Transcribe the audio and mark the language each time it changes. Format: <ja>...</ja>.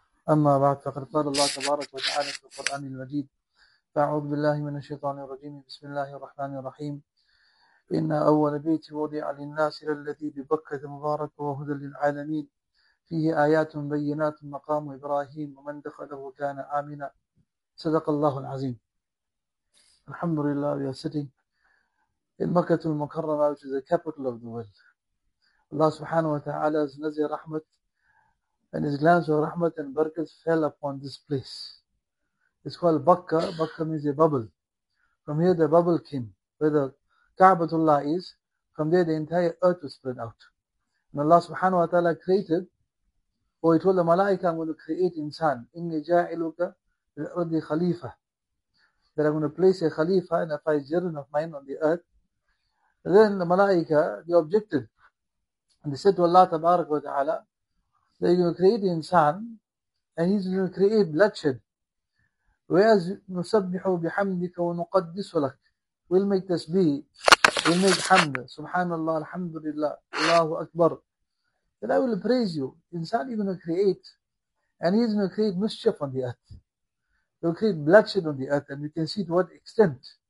<ar>أما بعد، فقد قال الله تبارك وتعالى في القرآن المجيد: أعوذ بالله من الشيطان الرجيم، بسم الله الرحمن الرحيم. إن أول بيت وضع للناس للذي ببكة مبارك وهدى للعالمين، فيه آيات بينات مقام إبراهيم ومن دخله كان آمنا، صدق الله العظيم. الحمد لله.</ar> <en>We are sitting in Makkah al-Mukarramah, which is the capital of the world. Allah subhanahu wa ta'ala's nazir rahmat and his glance of rahmat and barakah fell upon this place. It's called Bakka. Bakka means a bubble. From here the bubble came. Where the Ka'batullah is, from there the entire earth was spread out. And Allah subhanahu wa ta'ala created, or he told the malaika, I'm going to create insan. Inni ja'iluka bi'ardi khalifa. That I'm going to place a khalifa and a fajirun of mine on the earth. And then the malaika, they objected. And they said to Allah tabarak wa ta'ala, that you're going to create the insan, and he's going to create bloodshed. Whereas,</en> <ar>نُسَبِّحُ بِحَمْدِكَ وَنُقَدِّسُ لَكَ.</ar> <en>We'll make tasbih, we'll make hamd. Subhanallah, alhamdulillah, Allahu Akbar. Then I will praise you. Insan you're going to create, and he's going to create mischief on the earth. He will create bloodshed on the earth, and you can see to what extent.</en>